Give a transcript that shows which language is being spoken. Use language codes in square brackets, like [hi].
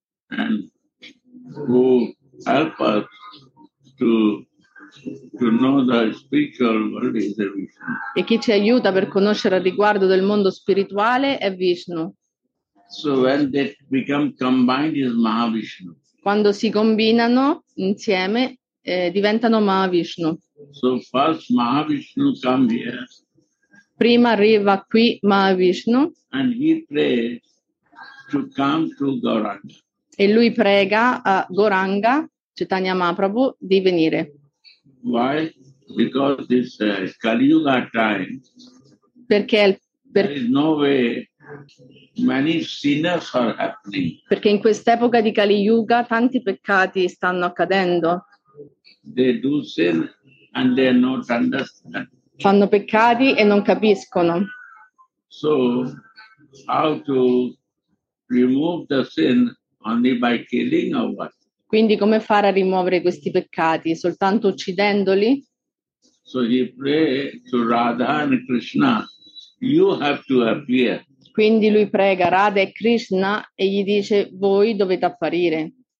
[en] And who help us to know the spiritual world is Vishnu. [it] E chi ci aiuta per conoscere al riguardo del mondo spirituale è Vishnu. [en] So when they become combined is Mahavishnu. [it] Quando si combinano insieme diventano Mahavishnu. [en] So first Mahavishnu come here. [it] Prima arriva qui Mahavishnu. [en] And he prays to come to Gauranga. [it] E lui prega a Gauranga, Chaitanya Mahaprabhu, di venire. [en] Why? Because this Kali Yuga time. [it] Perché [en] there is no way many sinners are happening. [it] Perché in quest'epoca di Kali Yuga tanti peccati stanno accadendo. [en] They do sin and they not understand. [it] Fanno peccati e non capiscono. [en] So how to remove the sin only by killing or what? [it] Quindi come fare a rimuovere questi peccati? Soltanto uccidendoli? [en] So he pray to Radha and Krishna, you have to appear. [it] Quindi lui prega Radha e Krishna e gli dice voi dovete apparire.